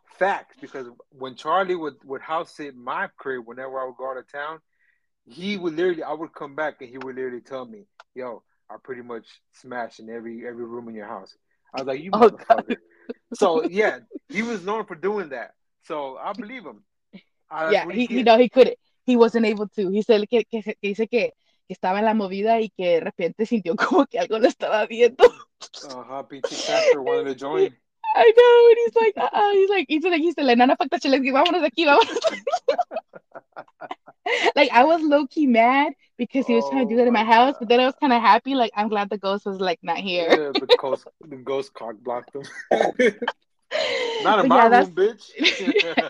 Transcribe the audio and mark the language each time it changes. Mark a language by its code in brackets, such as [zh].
[en] Facts, because when Charlie would house sit my crib whenever I would go out of town, he would literally, I would come back and he would literally tell me, yo, I pretty much smashed in every room in your house. I was like, you motherfucker. God. So, yeah, he was known for doing that. So, I believe him. He couldn't. He wasn't able to. He said [es] que dice que estaba en la movida y que de repente sintió como que algo lo estaba viendo. [en] Uh-huh, [es] pinche [en] pastor wanted to join. I know, and he's like, he's like, he said, like, nana, fuck that shit, let's get, [es] vámonos aquí, vámonos. [en] Like, I was low-key mad because he was trying to do that in my house, God. But then I was kind of happy. Like, I'm glad the ghost was, like, not here. Yeah, because the ghost cock-blocked him. Not in my room, bitch.